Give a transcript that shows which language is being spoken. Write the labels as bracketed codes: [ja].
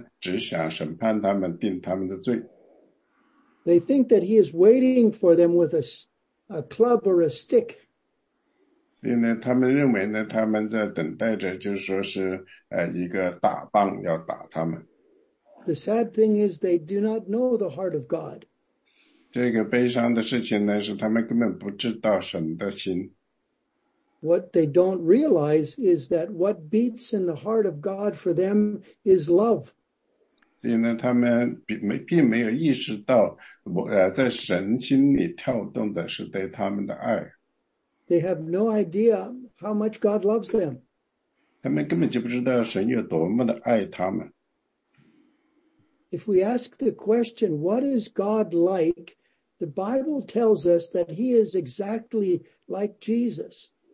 [zh] 因为有多少人呢，他们呢离神很远呢，是因为他们认为呢，神呢只想审判他们，定他们的罪。 [en] They think that he is waiting for them with a club or a stick. [zh] 所以呢，他们认为呢，他们在等待着，就是说是一个打棒要打他们。 [en] The sad thing is they do not know the heart of God. [zh] 这个悲伤的事情呢，是他们根本不知道神的心。 [en] What they don't realize is that what beats in the heart of God for them is love. [zh] 所以呢，他们并没有意识到，在神心里跳动的是对他们的爱。 [en] They have no idea how much God loves them. [zh] 他们根本就不知道神有多么的爱他们。 [en] If we ask the question, what is God like? The Bible tells us that he is exactly like Jesus.